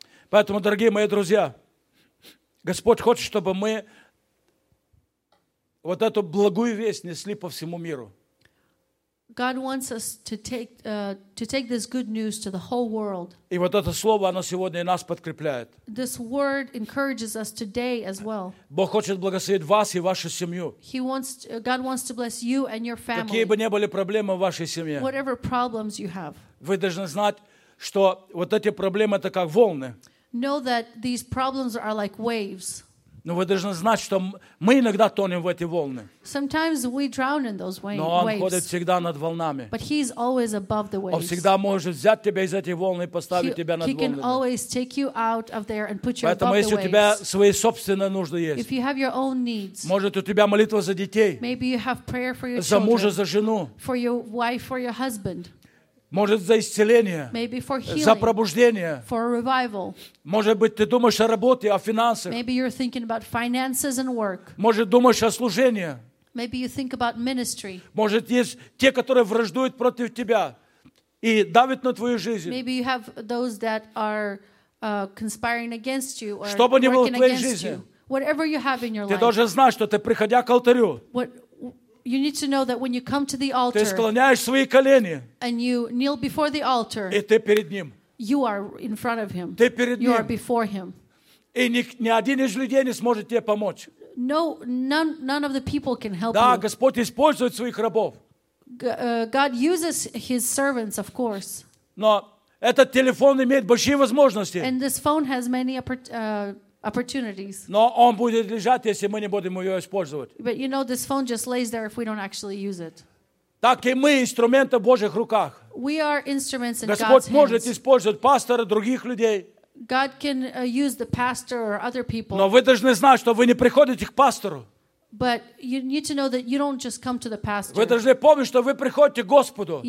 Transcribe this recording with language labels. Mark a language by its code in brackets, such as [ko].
[ru] Поэтому, дорогие мои друзья, Господь хочет, чтобы мы вот эту благую весть несли по всему миру. [en] God wants us to take this good news to the whole world. [ru] И вот это слово, оно сегодня нас подкрепляет. [en] This word encourages us today as well. [ru] Бог хочет благословить вас и вашу семью. [en] God wants to bless you and your family. [ru] Какие бы ни были проблемы в вашей семье. [en] Whatever problems you have. [ru] Вы должны знать, что вот эти проблемы это как волны. [en] Know that these problems are like waves. [ru] Но вы должны знать, что мы иногда тонем в эти волны. [en] Sometimes we drown in those waves. [ru] Но Он ходит всегда над волнами. [en] But He's always above the waves. [ru] Он всегда может взять тебя из этих волн и поставить тебя над волнами. [en] He can always take you out of there and put you above the waves. [ru] Поэтому если у тебя свои собственные нужды есть, [en] if you have your own needs, [ru] может у тебя молитва за детей, [en] maybe you have prayer for your children, [ru] за мужа, за жену, [en] for your wife, for your husband. [ru] Может, за исцеление, [en] maybe for healing, [ru] за пробуждение. [en] For a revival. [ru] Может быть, ты думаешь о работе, о финансах. [en] Maybe you're thinking about finances and work. [ru] Может, думаешь о служении. [en] Maybe you think about ministry. [ru] Может, есть те, которые враждуют против тебя и давят на твою жизнь. [en] Maybe you have those that are conspiring against you or [ru] что бы ни было в твоей жизни, [en] whatever you have in your [ru] ты [en] life, [ru] должен знать, что ты, приходя к алтарю, [en] you need to know that when you come to the altar, [ru] ты склоняешь свои колени, [en] and you kneel before the altar, [ru] и ты перед ним, [en] you are in front of him, [ru] ты перед [en] you [ru] ним, [en] are before him. [ru] И ни один из людей не сможет тебе помочь. [en] No, none of the people can help [ru] да, [en] you. [ru] Да, Господь использует своих рабов. [en] God uses his servants, of course. [ru] Но этот телефон имеет большие возможности. [en] And this phone has many opportunities. [ru] Но он будет лежать, если мы не будем его использовать. [en] But you know, this phone just lays there if we don't actually use it. [ru] Так и мы инструменты в Божьих руках. [en] We are instruments in [ru] Господь [en] God's [ru] может [en] hands. [ru] Использовать пастора, других людей. [en] God can use the pastor or other people. [ru] Но вы должны знать, что вы не приходите к пастору. [en] But you need to know that you don't just come to the pastor. [ru] Вы должны помнить, что вы приходите к Господу.